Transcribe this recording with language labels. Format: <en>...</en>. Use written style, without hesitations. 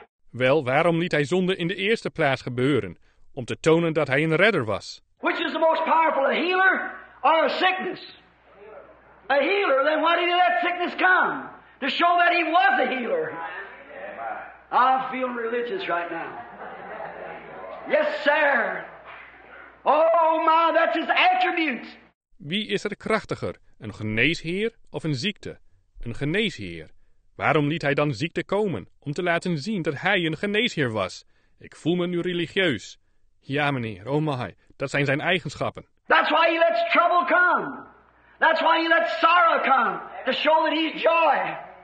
<nl>Wel, waarom liet hij zonde in de eerste plaats gebeuren? Om te tonen dat hij een redder was.</nl> <en>Which is the most powerful, a healer or a sickness? A healer, then why did he let sickness come? To show that he was a healer. I'm feeling religious right now. Yes, sir. Oh my, that's his attribute.</en> <nl>Wie is er krachtiger, een geneesheer of een ziekte? Een geneesheer. Waarom liet hij dan ziekte komen, om te laten zien dat hij een geneesheer was? Ik voel me nu religieus. Ja, meneer, oh my, dat zijn zijn eigenschappen.</nl> <en>That's why he lets trouble come. That's why he lets sorrow come, to show that he's joy.</en>